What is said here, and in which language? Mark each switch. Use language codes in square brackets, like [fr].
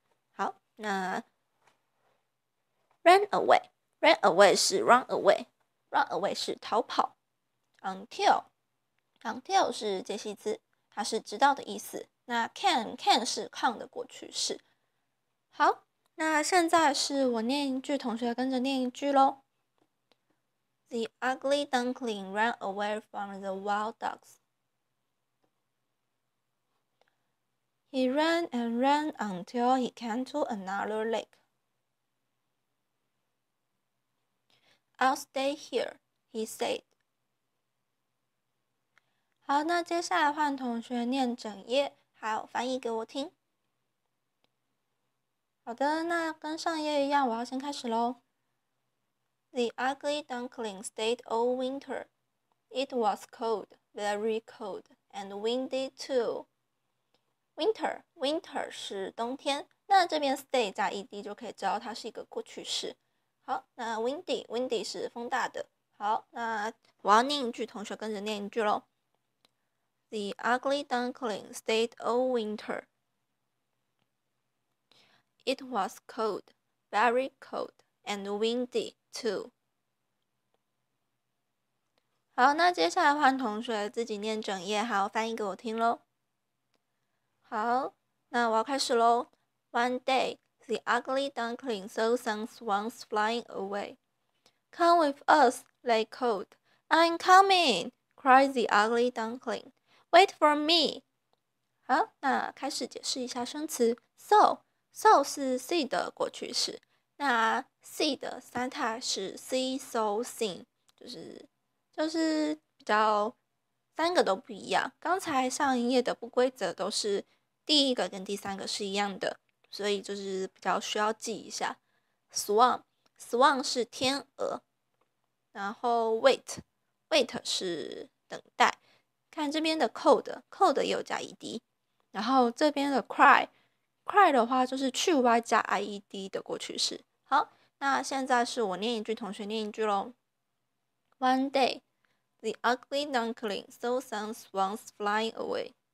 [zh] 好，那 run away 是 run away 是逃跑。 until 是介系词，它是直到的意思。那 can 是 come 的过去式。好，那现在是我念一句，同学跟着念一句咯。 [en] The ugly duckling ran away from the wild ducks. He ran and ran until he came to another lake. I'll stay here, he said. [zh] 好，那接下来换同学念整页，还有翻译给我听。好的，那跟上页一样，我要先开始喽。 [en] The ugly duckling stayed all winter. It was cold, very cold, and windy too. [zh] Winter 是冬天，那这边 stay 加 ed 就可以知道它是一个过去式。好，那 windy 是风大的。好，那我要念一句，同学跟着念一句咯。 [en] The ugly duckling stayed all winter. It was cold, very cold, and windy too. [zh] 好，那接下来换同学自己念整页，还有翻译给我听咯。好，那我要开始喽。 [en] One day, the ugly duckling saw some swans flying away. Come with us, they called. I'm coming, cried the ugly duckling. Wait for me. [zh] 好，那开始解释一下生词。 So 是 see 的过去式。那 see 的三态是 see, saw, seen，就是比较三个都不一样。刚才上一页的不规则都是第一个跟第三个是一样的，所以就是比较需要记一下。 Swan 是天鹅，然后 wait 是等待。看这边的 code 又加 ed，然后这边的 cry 的话就是去 y 加 ied 的过去式。好，那现在是我念一句，同学念一句咯。 [en] One day, the ugly duckling saw some swans flying away.